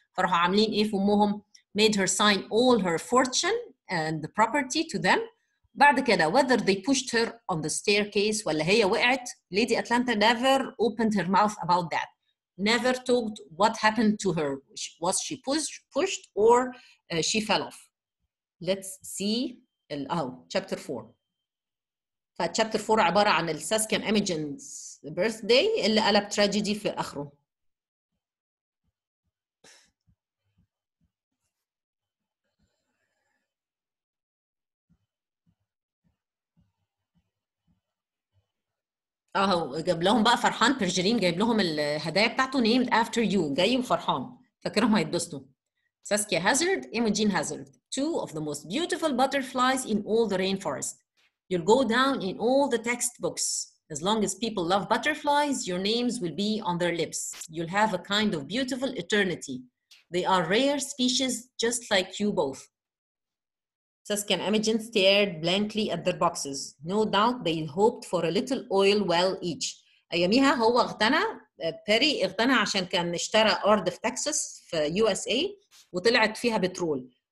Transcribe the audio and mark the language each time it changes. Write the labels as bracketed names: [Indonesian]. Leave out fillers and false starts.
[Arabic] فراحوا عاملين ايه في امهم [English] made her sign all her fortune and the property to them. [Arabic] بعد كده [English] whether they pushed her on the staircase [Arabic] ولا هي وقعت [English] Lady Atlanta never opened her mouth about that never talked what happened to her was she pushed or she fell off. Let's see chapter 4. [Arabic] فالشابتر 4 عبارة عن الساسكن ايميجنز بيرث داي اللي قلب تراجيدي في اخره. اهو جاب لهم بقى فرحان برجرين جايب لهم الهدايا بتاعته [English] named after you [Arabic] جاي وفرحان فاكرهم هيتبسطوا. [English] Saskia Hazard Imogen Hazard two of the most beautiful butterflies in all the rainforest. You'll go down in all the textbooks. As long as people love butterflies, your names will be on their lips. You'll have a kind of beautiful eternity. They are rare species just like you both. Saskia and Imogen stared blankly at their boxes. No doubt they hoped for a little oil well each. [Arabic] أياميها هو اغتنى بيري اغتنى عشان كان اشترى أرض في تكساس في USA وطلعت فيها بترول.